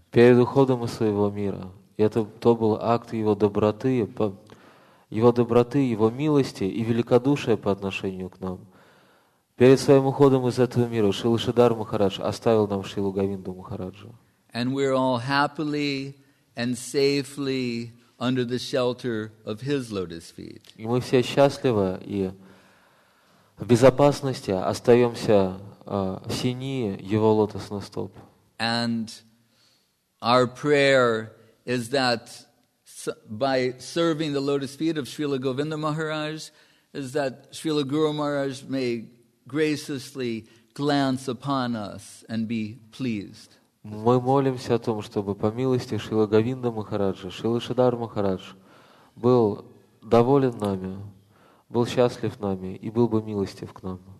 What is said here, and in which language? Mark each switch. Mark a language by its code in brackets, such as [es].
[ru] Перед уходом из своего мира, это то был акт его доброты, его милости и великодушия по отношению к нам. Перед своим уходом из этого мира Шрила Шридхар Махарадж оставил нам Шрилу Говинду Махараджу. [en] And we're all happily and safely under the shelter of his lotus feet. [ru] И мы все счастливы и в безопасности остаемся в сени его лотосных стоп. [en] And our prayer is that by serving the lotus feet of Srila Govinda Maharaj, is that Srila Guru Maharaj may graciously glance upon us and be pleased. [ru] Мы молимся о том, чтобы по милости Шрилы Говинда Махараджа, Шрилы Шридхар Махарадж был доволен нами, был счастлив нами и был бы милостив к нам.